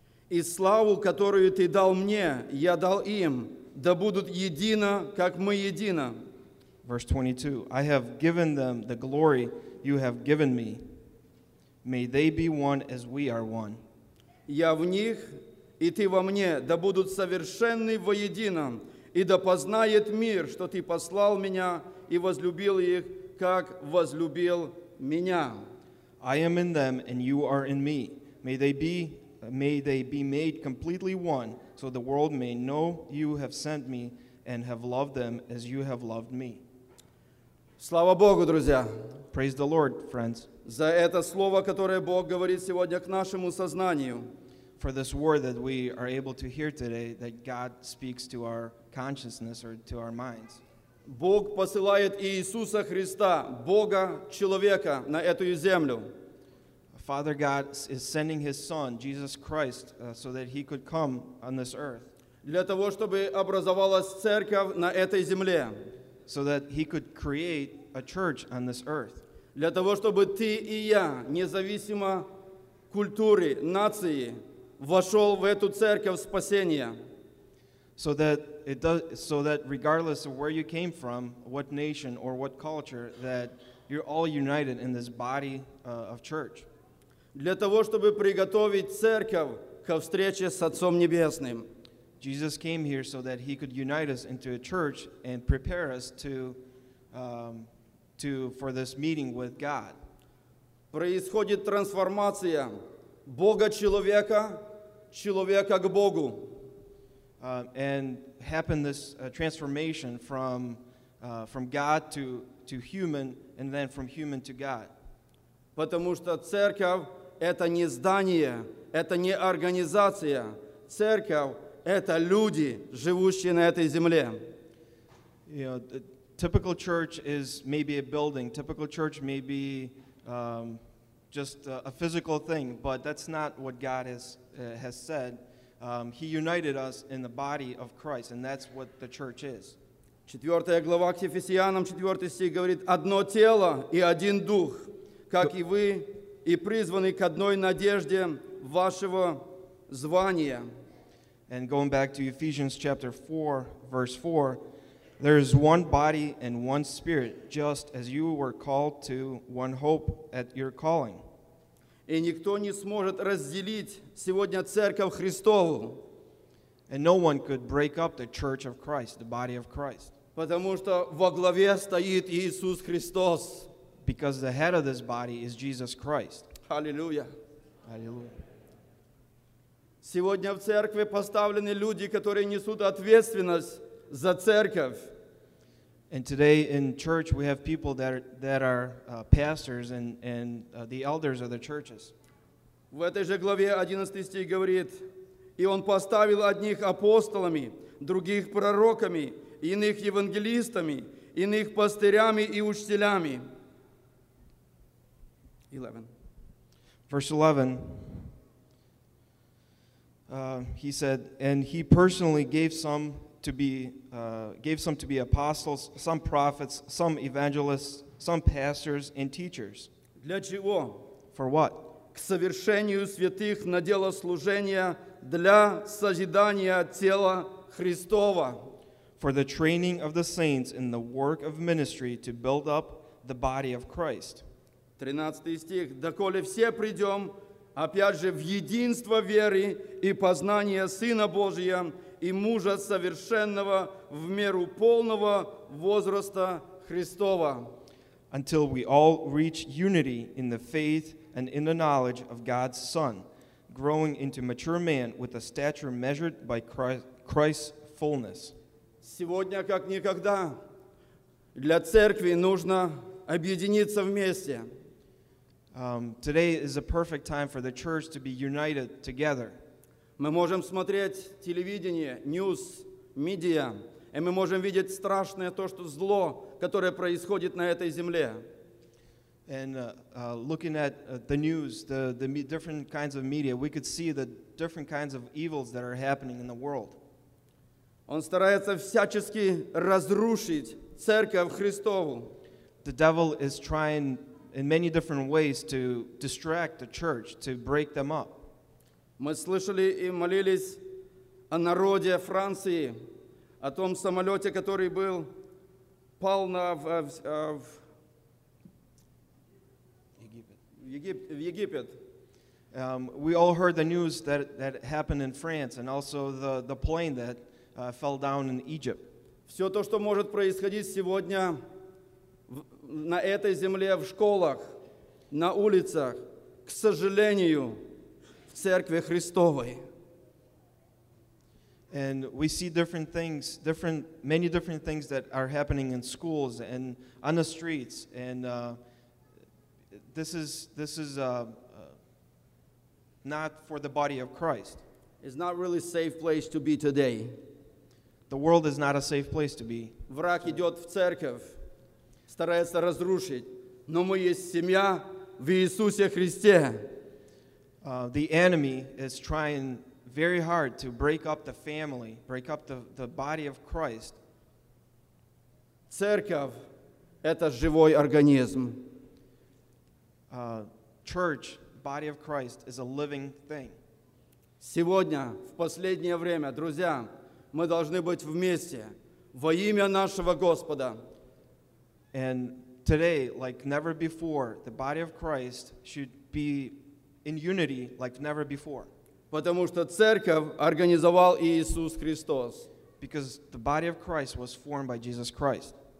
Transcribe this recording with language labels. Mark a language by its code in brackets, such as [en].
[ru] И славу, которую ты дал мне, я дал им, да будут едино, как мы едино. [en] Verse 22. I have given them the glory you have given me. May they be one as we are one. [ru] Я в них, и ты во мне, да будут совершенны воедино, и да познает мир, что ты послал меня и возлюбил их, как возлюбил меня. [en] I am in them, and you are in me. May they be made completely one, so the world may know you have sent me and have loved them as you have loved me. [ru] Слава Богу, друзья. [en] Praise the Lord, friends. [ru] За это слово, которое Бог говорит сегодня к нашему сознанию. [en] For this word that we are able to hear today, that God speaks to our consciousness or to our minds. [ru] Бог посылает Иисуса Христа, Бога-человека, на эту землю. [en] Father God is sending his son, Jesus Christ, so that he could come on this earth. [ru] Для того, чтобы образовалась церковь на этой земле. [en] So that he could create a church on this earth. [ru] Для того, чтобы ты и я, независимо культуры, нации, вошел в эту церковь спасения. [en] so that regardless of where you came from, what nation or what culture, that you're all united in this body of church. [ru] Для того, чтобы приготовить церковь ко встрече с Отцом Небесным. [en] Jesus came here so that he could unite us into a church and prepare us for this meeting with God. [ru] Происходит трансформация Бога человека, человека к Богу. [en] And happened this transformation from God to human, and then from human to God. [ru] Потому что церковь это не здание, это не организация. Церковь это люди, живущие на этой земле. [en] You know, the typical church is maybe a building. Typical church may be just a physical thing, but that's not what God has said. He united us in the body of Christ, and that's what the church is. [ru] 4 глава к Ефесянам, 4 стих говорит, «Одно тело и один дух, как и вы, и призваны к одной надежде вашего звания». [en] And going back to Ephesians chapter 4, verse 4, there is one body and one spirit, just as you were called to one hope at your calling. [ru] И никто не сможет разделить сегодня церковь Христову. [en] And no one could break up the church of Christ, the body of Christ. [ru] Потому что во главе стоит Иисус Христос. [en] Because the head of this body is Jesus Christ. Hallelujah. Hallelujah. [ru] Сегодня в церкви поставлены люди, которые несут ответственность за церковь. [en] And today in church we have people that are pastors and the elders of the churches. [ru] В этой же главе 11 стих говорит, и он поставил одних апостолами, других пророками, иных евангелистами, иных пастырями и учителями. 11. [en] Verse 11. He said, and he personally gave some to be apostles, some prophets, some evangelists, some pastors and teachers. [ru] Для чего? [en] For what? [ru] К совершению святых на дело служения для созидания тела Христова. [en] For the training of the saints in the work of ministry to build up the body of Christ. [ru] 13 стих. Доколе все придем. Опять же, в единство веры и познание Сына Божия и мужа совершенного в меру полного возраста Христова. [en] Until we all reach unity in the faith and in the knowledge of God's Son, growing into mature man with a stature measured by Christ's fullness. [ru] Сегодня, как никогда, для церкви нужно объединиться вместе. [en] Today is a perfect time for the church to be united together. [ru] Мы можем смотреть телевидение, [en] news, [ru] media, и мы можем видеть страшное то, что зло, которое происходит на этой земле. [en] And looking at the news, the different kinds of media, we could see the different kinds of evils that are happening in the world. [ru] Он старается всячески разрушить церковь Христову. [en] The devil is trying in many different ways to distract the church, to break them up. [ru] Мы слышали и молились о народе Франции, о том самолете, который был пал на в Египет. [en] We all heard the news that happened in France, and also the plane that fell down in Egypt. [ru] Все то, что может происходить сегодня на этой земле, в школах, на улицах, к сожалению, в церкви Христовой. [en] And we see different things, different, many different things that are happening in schools and on the streets. And this is not for the body of Christ. It's not really a safe place to be today. The world is not a safe place to be. [ru] Враг идет в церковь. Старается разрушить, но мы есть семья в Иисусе Христе. [en] The enemy is trying very hard to break up the family, break up the body of Christ. [ru] Церковь – это живой организм. [en] Church, body of Christ, is a living thing. [ru] Сегодня, в последнее время, друзья, мы должны быть вместе во имя нашего Господа. [en] And today, like never before, the body of Christ should be in unity like never before. [ru] Потому что церковь организовал Иисус Христос. [en] Because the body of Christ was formed by Jesus Christ.